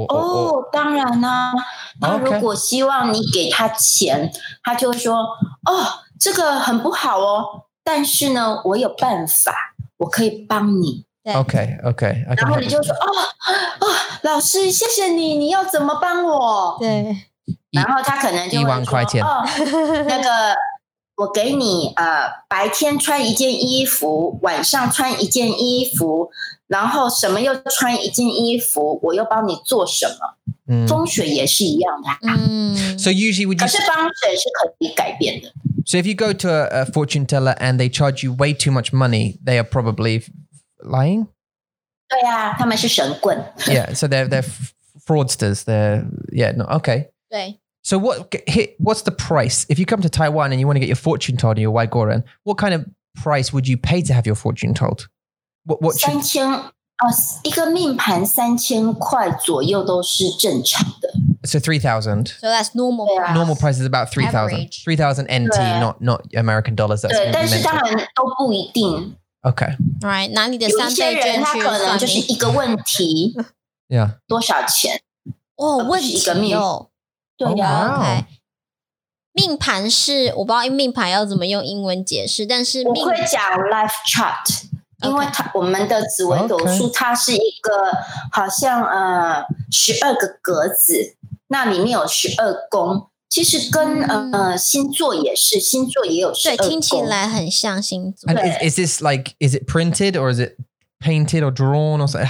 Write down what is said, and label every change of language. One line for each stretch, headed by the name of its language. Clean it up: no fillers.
English: Or
Chinese: 当然啦、啊。那如果希望你给他钱，他就会说：“哦，这个很不好哦，但是呢，我有办法，我可以帮你。”
English: Okay.
Chinese: 然后你就说：“哦。” 老师，谢谢你，你要怎么帮我？对，然后他可能就会说：“ 1万块钱，哦，那个，我给你白天穿一件衣服，晚上穿一件衣服，然后什么又穿一件衣服，我又帮你做什么？风水也是一样的。
English: So usually would you?
Chinese: 可是风水是可以改变的。
English: So if you go to a fortune teller and they charge you way too much money, they are probably lying.
Chinese: 对呀、啊、他们是神棍。
English: Yeah, so they're fraudsters. They're, yeah, no, okay.
Chinese: 对。
English: So what's the price? If you come to Taiwan and you want to get your fortune told in your Wai Goren, what kind of price would you pay to have your fortune told? What
Chinese: 三千、哦、一个命盘三千块左右都是正常的。
English: So 3,000. So that's normal price.、啊、 normal price is about 3,000. 3,000 NT, not American dollars. That's
Chinese: 对，但是当然都不一定。
English: Okay. All right.
Chinese: 拿你的三倍券去算命。有些人他可能就是一个问题。
English: Yeah.
Chinese: 多少钱？哦，问题哦。对呀。
English: Okay.
Chinese: 命盘是我不知道，因为命盘要怎么用英文解释，但是我会讲
English: life chart，
Chinese: 因为它我们的紫微斗数它是一个好像12个格子，那里面有12宫。其实跟星座也是，星座也有十二宫，对，听起来很像星座。
English: And is this like, is it printed or is it painted or drawn or something?